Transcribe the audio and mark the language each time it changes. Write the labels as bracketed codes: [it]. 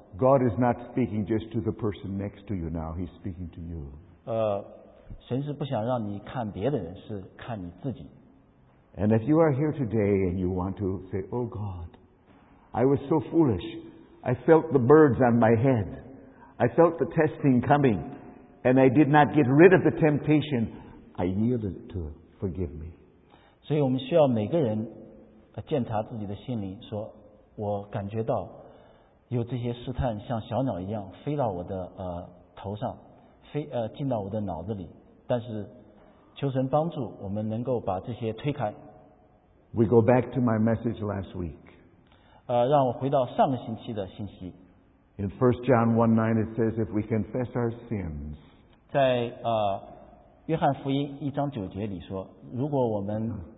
[en] God is not speaking just to the person next to you now, He's speaking to you. [zh] 神是不想让你看别的人, 是看你自己。 [en] And if you are here today and you want to say, Oh God, I was so foolish. I felt the birds on my head. I felt the testing coming. And I did not get rid of the temptation. I yielded to it. Forgive me. [zh] 所以我们需要每个人检查自己的心灵, 说, 我感觉到, 有这些试探像小鸟一样飞到我的头上，进到我的脑子里，但是求神帮助我们能够把这些推开。 [en] We go back to my message last week. [zh] 让我回到上个星期的信息。 [en] In 1 John 1:9 it says if we confess our sins. [zh] 在约翰福音一章九节里说，如果我们